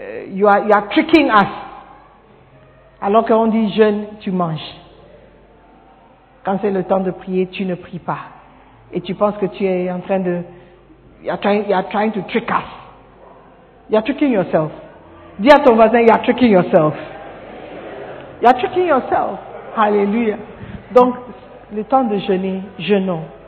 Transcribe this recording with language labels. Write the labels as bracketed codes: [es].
[en] You are tricking us. [fr] Alors qu'on dit jeûne, tu manges. Quand c'est le temps de prier, tu ne pries pas. Et tu penses que tu es en train de... [en] You are trying to trick us. You are tricking yourself. [fr] Dis à ton voisin, [en] you are tricking yourself. You are tricking yourself. Hallelujah. [fr] Donc, le temps de jeûner, jeûnons.